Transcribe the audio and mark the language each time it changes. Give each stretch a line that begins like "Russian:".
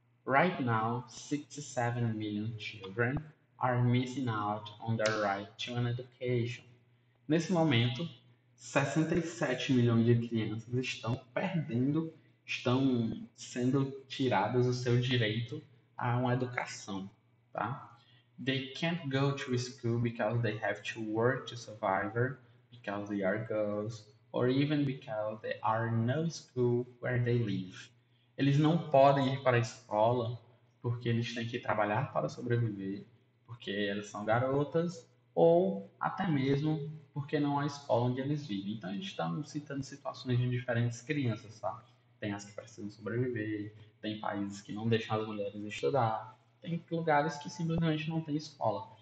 English: Right now, 67 million children are missing out on their right to an education.
Portuguese: Nesse momento, 67 milhões de crianças estão perdendo, estão sendo tiradas o seu direito a uma educação, tá?
English: They can't go to school because they have to work to survive, because they are girls, or even because there are no school where they live.
Portuguese: Eles não podem ir para a escola porque eles têm que trabalhar para sobreviver, porque eles são garotas, ou até mesmo porque não há escola onde eles vivem. Então, a gente está citando situações de diferentes crianças, sabe? Tem as que precisam sobreviver, tem países que não deixam as mulheres estudar, tem lugares que simplesmente não tem escola.